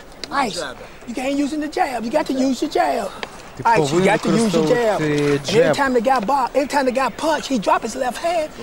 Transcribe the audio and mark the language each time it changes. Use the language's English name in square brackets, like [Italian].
[English] Ice, you can't use the jab. You got to use the jab. [Ukrainian] ти повинен використовувати джеб. [English] Anytime the guy box, anytime the guy punch, he drop his left hand.